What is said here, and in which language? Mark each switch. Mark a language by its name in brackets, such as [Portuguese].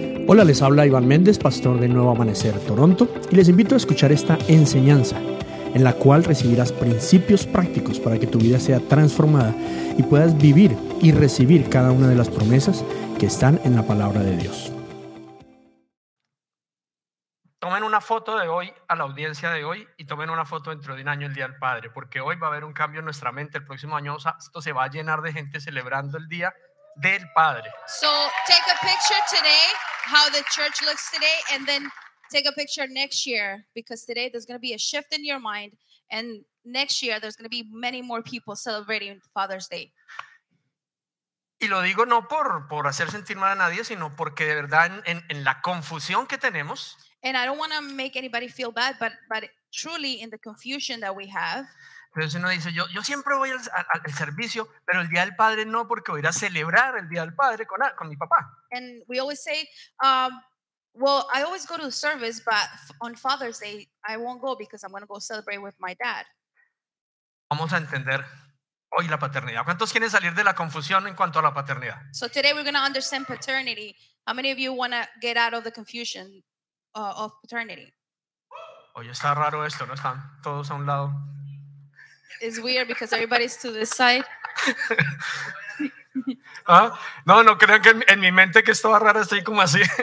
[Spanish] Hola, les habla Iván Méndez, pastor de Nuevo Amanecer, Toronto, y les invito a escuchar esta enseñanza en la cual recibirás principios prácticos para que tu vida sea transformada y puedas vivir y recibir cada una de las promesas que están en la palabra de Dios. Tomen una foto de hoy a la audiencia de hoy y tomen una foto dentro de un año el Día del Padre, porque hoy va a haber un cambio en nuestra mente. El próximo año esto se va a llenar de gente celebrando el Día del Padre. [English] So take a picture today, how the church looks today, and then take a picture next year, because today there's going to be a shift in your mind, and next year there's going to be many more people celebrating Father's Day. [Spanish] Y lo digo no por hacer sentir mal a nadie, sino porque de verdad en la confusión que tenemos. [English] And I don't want to make anybody feel bad, but truly in the confusion that we have. [Spanish] Pero si uno dice, yo siempre voy al servicio, pero el Día del Padre no, porque voy a celebrar el Día del Padre con mi papá. [English] And we always say, I always go to the service, but on Father's Day, I won't go because I'm going to go celebrate with my dad. [Spanish] Vamos a entender hoy la paternidad. ¿Cuántos quieren salir de la confusión en cuanto a la paternidad? [English] So today we're going to understand paternity. How many of you want to get out of the confusion of paternity? [Spanish] Oye, está raro esto, ¿no? Están todos a un lado. [English] It's weird because everybody's to this side. [Spanish] ¿Ah? No crean que en mi mente que esto va raro, estoy como así.